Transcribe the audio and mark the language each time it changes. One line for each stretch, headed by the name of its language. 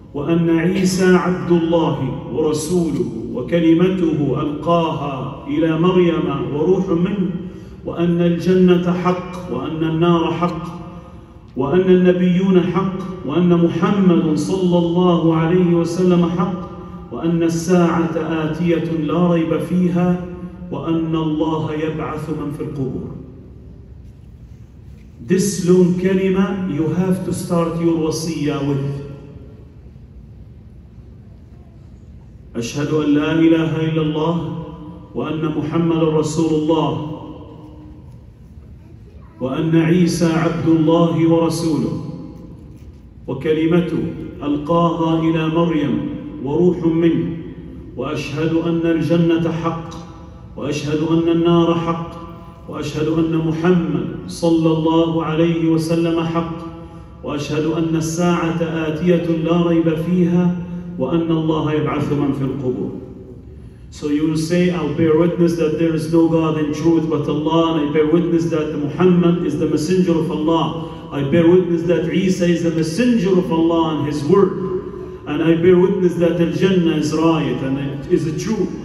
Arabic: وأن عيسى عبد الله ورسوله وكلمته ألقاها إلى مريم وروح منه، وأن الجنة حق وأن النار حق وأن النبيون حق وأن محمد صلى الله عليه وسلم حق وأن الساعة آتية لا ريب فيها وأن الله يبعث من في القبور.
English: This long kalima you have to start your wasiya with.
Arabic: أشهد أن لا إله إلا الله وأن محمد رسول الله وأن عيسى عبد الله ورسوله وكلمته ألقاها إلى مريم وروح منه، وأشهد أن الجنة حق وأشهد أن النار حق وأشهد أن محمد صلى الله عليه وسلم حق وأشهد أن الساعة آتية لا ريب فيها وأن الله يبعث من في القبور.
English: So you will say, I'll bear witness that there is no God in truth but Allah, and I bear witness that Muhammad is the messenger of Allah. I bear witness that Isa is the messenger of Allah and his word. And I bear witness that al-Jannah is right and it is a truth.